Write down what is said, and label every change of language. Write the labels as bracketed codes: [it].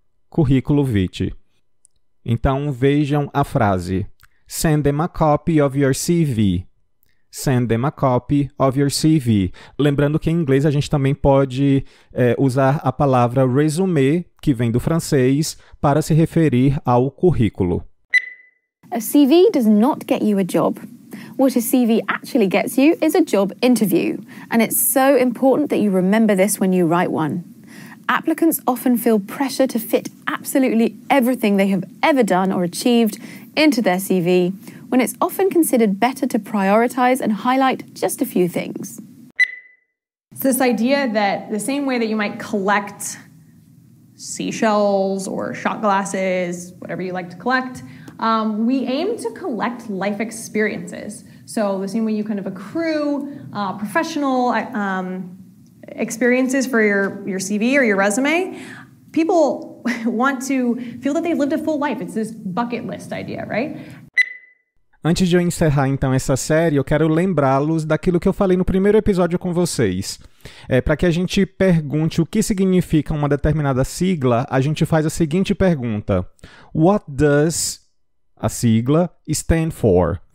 [pt] Currículo vitae. Então, vejam a frase. [en] Send them a copy of your CV. Send them a copy of your CV. [pt] Lembrando que em inglês a gente também pode usar a palavra resume, que vem do francês, para se referir ao currículo. [en] A CV does not get you a job. What a CV actually gets you is a job interview. And it's so important that you remember this when you write one. Applicants often feel pressure to fit absolutely everything they have ever done or achieved into their CV, when it's often considered better to prioritize and highlight just a few things. It's this idea that the same way that you might collect seashells or shot glasses, whatever you like to collect, we aim to collect life experiences. So the same way you kind of accrue professional experiences for your CV or your resume, people want to feel that they've lived a full life. It's this bucket list idea, right? [pt] Antes de eu encerrar, então, essa série, eu quero lembrá-los daquilo que eu falei no primeiro episódio com vocês. Para que a gente pergunte o que significa uma determinada sigla, a gente faz a seguinte pergunta. [en] What does a sigla stand for?